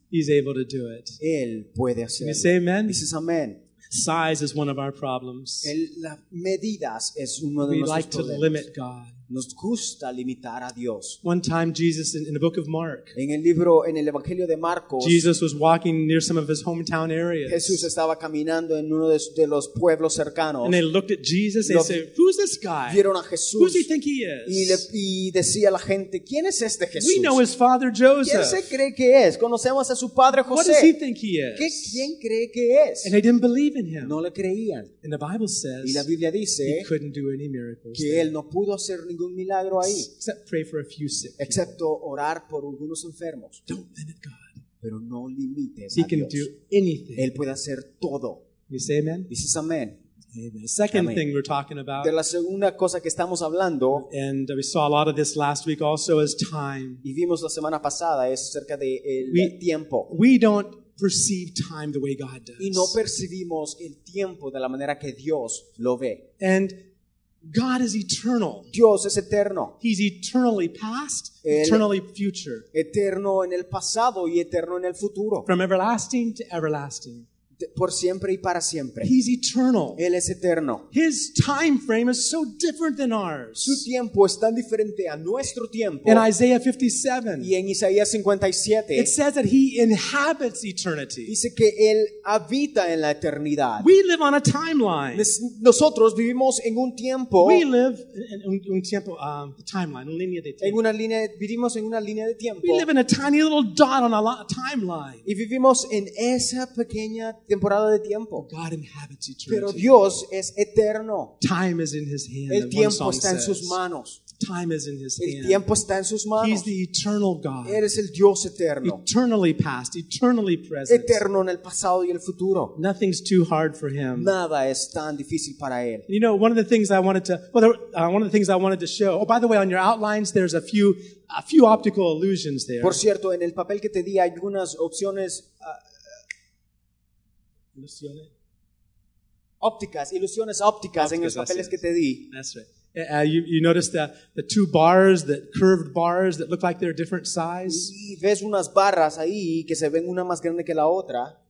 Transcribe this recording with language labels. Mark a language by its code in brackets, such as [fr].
[en] He's able to do it. [es] Él puede hacerlo. [en] You say amen? He says amen. Size is one of our problems. [es] Las medidas es uno de nuestros problemas. [en] We like to limit God. [es] Nos gusta limitar a Dios. [en] One time Jesus in the book of Mark. [es] En el Evangelio de Marcos. [en] Jesus was walking near some of his hometown areas. [es] Jesús estaba caminando en uno de los pueblos cercanos. [en] And they looked at Jesus and said, "Who's this guy? [es] Vieron a Jesús. [en] Who do you think he is?" [es] Y decía la gente, "¿Quién es este Jesús? [en] We know his father Joseph. [es] ¿Quién se cree que es? Conocemos a su padre José. [en] What does he think he is? [es] ¿Qué quién cree que es?" [en] And they didn't believe in him. [es] No le creían. [en] And the Bible says, [es] y la Biblia dice, [en] he couldn't do any miracles. [es] Que él no pudo hacer ningún milagro ahí. [en] Except pray for a few sick. [es] Excepto orar por algunos enfermos. [en] Don't limit God. [es] Pero no limites [en] he [es] a [en] can [es] Dios. [en] Do anything. [es] Él puede hacer todo. [en] You say amen? This is amen. Amen. Second amen. Thing we're talking about. [es] De la segunda cosa que estamos hablando. [en] And we saw a lot of this last week also is time. [es] Y vimos la semana pasada es acerca de el tiempo. [en] We don't perceive time the way God does. [es] Y no percibimos el tiempo de la manera que Dios lo ve. [en] And God is eternal. [es] Dios es eterno. [en] He's eternally past, eternally future. [es] Eterno en el pasado y eterno en el futuro. [en] From everlasting to everlasting. [es] Por siempre y para siempre. [en] He's eternal. [es] Él es eterno. [en] His time frame is so different than ours. [es] Su tiempo es tan diferente a nuestro tiempo. [en] In Isaiah 57. [es] Y en Isaías 57. [en] It says that he inhabits eternity. [es] Dice que él habita en la eternidad. [en] We live on a timeline. [es] Nosotros vivimos en un tiempo. [en] We live in [es] un tiempo, [en] timeline, [es] una línea de tiempo. En una línea, vivimos en una línea de tiempo. [en] We live in a tiny little dot on a lot of timeline. [es] Y vivimos en esa pequeña temporada de tiempo. [en] God inhabits eternity. [es] Pero Dios es eterno. [en] Time is in his hand. [es] El tiempo está en sus manos. [en] Time is in his hand. [es] El tiempo está en sus manos. [en] He's the eternal God. [es] Él es el Dios eterno. [en] Eternally past, eternally present. [es] Eterno en el pasado y el futuro. [en] Nothing's too hard for him. [es] Nada es tan difícil para él. [en] You know, one of the things I wanted to show. Oh, by the way, on your outlines there's a few optical illusions there. [es] Por cierto, en el papel que te di hay algunas opciones ilusiones ópticas en los papeles que te di. [en] That's right. You notice the two bars, the curved bars that look like they're different size. [es] Y ves unas barras ahí que se ven una más grande que la otra.